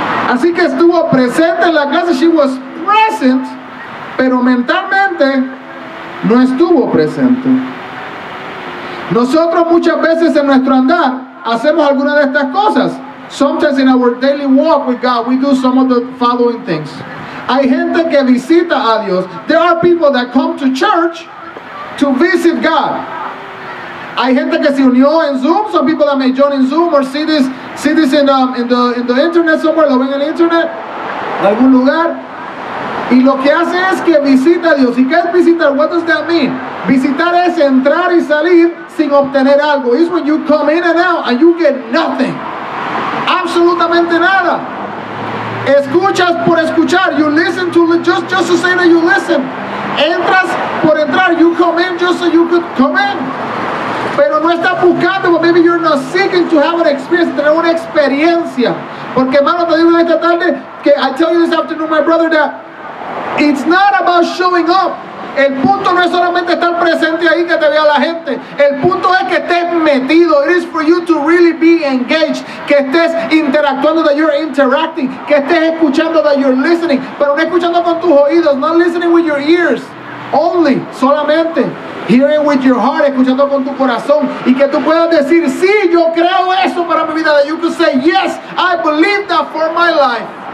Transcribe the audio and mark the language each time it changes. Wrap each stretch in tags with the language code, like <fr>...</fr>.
<es>Así que estuvo presente en la clase.</es> <en>She was present,</en> <es>pero mentalmente no estuvo presente. Nosotros muchas veces en nuestro andar hacemos algunas de estas cosas.</es> <en>Sometimes in our daily walk with God, we do some of the following things.</en> <es>Hay gente que visita a Dios.</es> <en>There are people that come to church to visit God.</en> <es>Hay gente que se unió en Zoom.</es> <en>Some people that may join in Zoom or see this in the internet somewhere.</en> <es>Lo ven en el internet, en algún lugar. Y lo que hace es que visita a Dios. ¿Y qué es visitar?</es> <en>What does that mean?</en> <es>Visitar es entrar y salir sin obtener algo.</es> <en>It's when you come in and out and you get nothing.</en> <es>Absolutamente nada. Escuchas por escuchar.</es> <en>You listen to just to say that you listen.</en> <es>Entras por entrar.</es> <en>You come in just so you could come in.</en> <es>Pero no estás buscando,</es> <en>but maybe you're not seeking to have an experience,</en> <es>tener una experiencia. Porque hermano, te digo esta tarde, que</es> <en>I tell you this afternoon, my brother, that it's not about showing up.</en> <es>El punto no es solamente estar presente ahí que te vea la gente. El punto es que estés metido.</es> <en>It is for you to really be engaged.</en> <es>Que estés interactuando,</es> <en>that you're interacting.</en> <es>Que estés escuchando,</es> <en>that you're listening.</en> <es>Pero no escuchando con tus oídos.</es> <en>Not listening with your ears. Only.</en> <es>Solamente.</es> <en>Hearing with your heart.</en> <es>Escuchando con tu corazón. Y que tú puedas decir, sí, yo creo eso para mi vida.</es> <en>That you could say, yes, I believe that for my life.</en>